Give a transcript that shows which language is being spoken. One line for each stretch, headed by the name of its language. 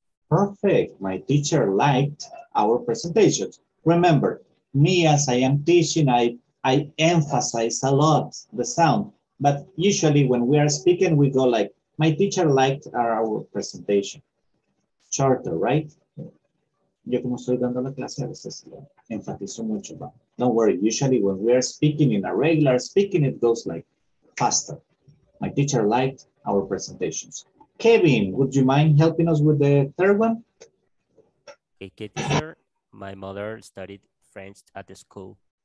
English: Perfect, my teacher liked our presentation. Remember, me as I am teaching, I emphasize a lot the sound, but usually when we are speaking, we go like, my teacher liked our presentation. Shorter, right?
Spanish: Yo como estoy dando la clase, a veces enfatizo mucho.
English: But don't worry, usually when we are speaking in a regular speaking, it goes like faster. My teacher liked our presentations. Kevin, would you mind helping us with the third one? Okay, teacher, my mother studied French at the school.